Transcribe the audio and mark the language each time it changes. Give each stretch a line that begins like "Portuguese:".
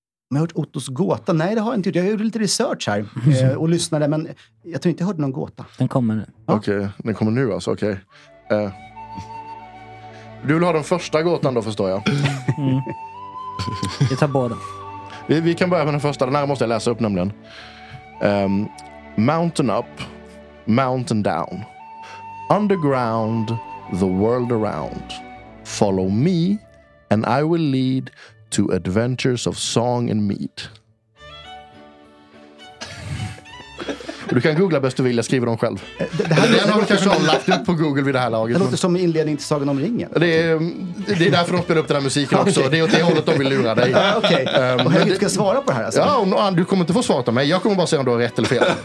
Swedish: Men jag har hört Ottos gåta? Nej, det har jag inte gjort. Jag gjorde lite research här och lyssnade, men jag tror inte jag hörde någon gåta. Den kommer nu. Ja. Okej, okay, den kommer nu alltså, okej. Okay. Du vill ha den första gåtan då, förstår jag. Vi tar båda. Vi kan börja med den första. Den här måste jag läsa upp nämligen.
English: Mountain up, mountain down. Underground, the world around. Follow me and I will lead... To Adventures of Song and Meat.
Swedish: Och du kan googla bäst du vill, jag skriver dem själv. Den har kanske lagt upp på Google vid det här laget. Det låter som inledning till Sagan om ringen. Det är därför de spelar upp den här musiken också. Det är åt det hållet de vill lura dig. Okej, okay. Och hur ska svara på det här? Alltså. Ja, du kommer inte få svara på mig. Jag kommer bara säga om du har rätt eller fel.